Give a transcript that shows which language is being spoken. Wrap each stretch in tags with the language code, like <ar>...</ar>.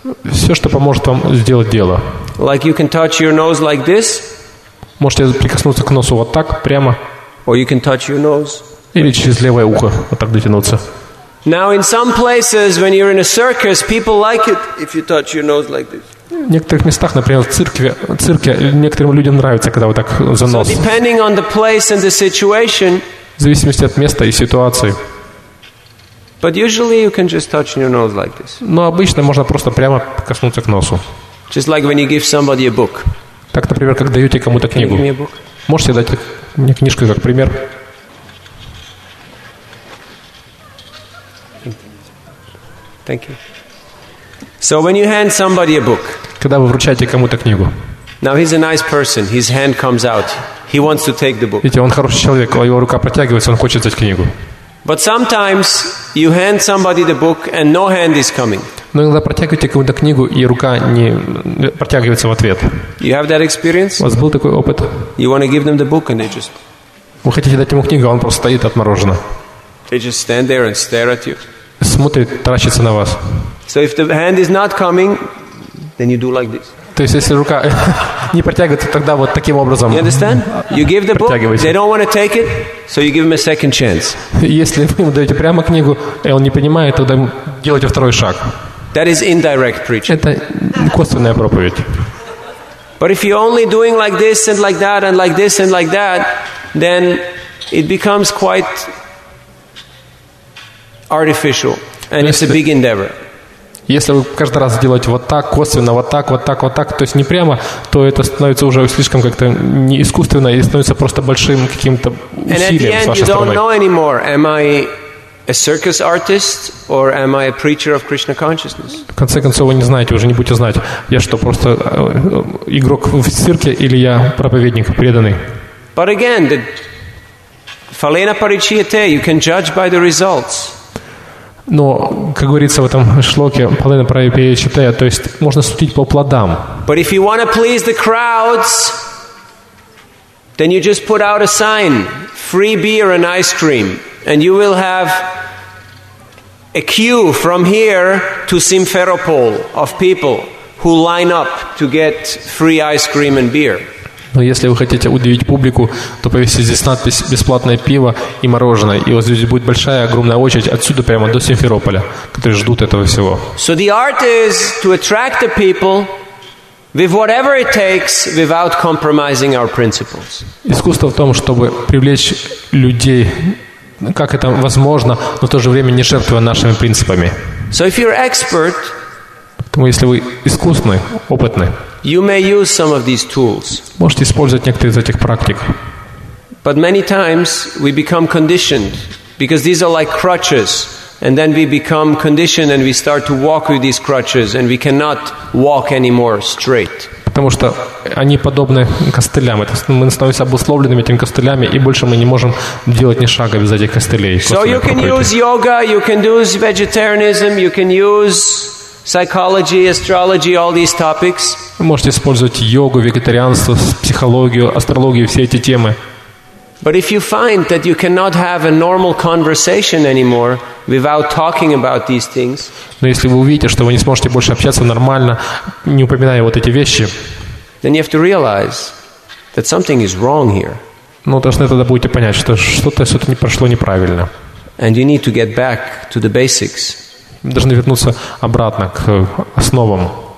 <ru>Все, что поможет вам сделать дело.</ru> <en>Like you can touch your nose like this.</en> <ru>Можете прикоснуться к носу вот так прямо.</ru> <en>Or you can touch your nose.</en> <ru>Или через левое ухо вот так дотянуться.</ru> <en>Now, in some places, when you're in a circus, people like it if you touch your nose like this.</en> <ru>В некоторых местах, например, в цирке некоторым людям нравится, когда вот так за нос.</ru> <en>So, depending on the place and the situation,</en> <ru>В зависимости от места и ситуации.</ru> <en>But usually you can just touch your nose like this.</en> <ru>Но обычно можно просто прямо коснуться к носу.</ru> <en>Just like when you give somebody a book.</en> <ru>Так, например, как даете кому-то книгу.</ru> <en>Can you give me a book?</en> <ru>Можете дать мне книжку как пример?</ru> <en>Thank you. So when you hand somebody a book.</en> <ru>Когда вы вручаете кому-то книгу.</ru> <en>Now he's a nice person. His hand comes out. He wants to take the book.</en> <ru>Видите, он хороший человек, а его рука протягивается, он хочет взять книгу.</ru> <en>But sometimes you hand somebody the book and no hand is coming.</en> <ru>Но иногда протягиваете кому-то книгу, и рука не протягивается в ответ.</ru> <en>You have that experience?</en> <ru>У вас был такой опыт?</ru> <en>You want to give them the book and they just.</en> <ru>Вы хотите дать ему книгу, а он просто стоит отмороженно.</ru> <en>They just stand there and stare at you.</en> <ru>Смотрит, таращится на вас.</ru> <en>So if the hand is not coming, then you do like this.</en> <ru>То есть если рука не протягивается, тогда вот таким образом.</ru> <en>You understand? You give the book. They don't want to take it, so you give them a second chance.</en> <ru>Если вы ему даете прямо книгу, и он не понимает, тогда делайте второй шаг.</ru> <en>That is indirect preaching.</en> <ru>Это косвенная проповедь.</ru> <en>But if you're only doing like this and like that and like this and like that, then it becomes quite artificial, and it's a big endeavor.</en> <ru>Если вы каждый раз делаете вот так, косвенно, вот так, вот так, вот так, то есть не прямо, то это становится уже слишком как-то не искусственно и становится просто большим каким-то усилием с вашей стороны. В конце концов, вы не знаете, уже не будете знать, я что, просто игрок в цирке или я проповедник преданный.</ru> <en>But again, the phalena parichyate, you can judge by the results.</en> <ru>Но, как говорится в этом шлоке, половина про ЕПЧТ, то есть можно судить по плодам.</ru> <en>But if you want to please the crowds, then you just put out a sign, free beer and ice cream, and you will have a queue from here to Simferopol of people who line up to get free ice cream and beer.</en> <ru>Но если вы хотите удивить публику, то повесьте здесь надпись «Бесплатное пиво и мороженое». И вот здесь будет большая, огромная очередь отсюда прямо до Симферополя, которые ждут этого всего.</ru> <en>So the art is to attract the people with whatever it takes without compromising our principles.</en> <ru>Искусство в том, чтобы привлечь людей, как это возможно, но в то же время не жертвуя нашими принципами.</ru> <en>So if you're expert,</en> <ru>поэтому если вы искусный, опытный,</ru> <en>you may use some of these tools.</en> <ru>Можете использовать некоторые из этих практик.</ru> <en>But many times we become conditioned because these are like crutches, and then we become conditioned and we start to walk with these crutches and we cannot walk anymore straight.</en> <ru>Потому что они подобны костылям. Мы становимся обусловленными этими костылями и больше мы не можем делать ни шага без этих костылей.</ru> <en>So you can use yoga, you can use vegetarianism, you can use psychology, astrology, all these topics.</en> <ru>Вы можете использовать йогу, вегетарианство, психологию, астрологию, все эти темы.</ru> <en>But if you find that you cannot have a normal conversation anymore without talking about these things.</en> <ru>Но если вы увидите, что вы не сможете больше общаться нормально, не упоминая вот эти вещи.</ru> <en>Then you have to realize that something is wrong here.</en> <ru>Ну, должны тогда будете понять, что что-то не прошло неправильно.</ru> <en>And you need to get back to the basics.</en> <ru>Должны вернуться обратно к основам.</ru>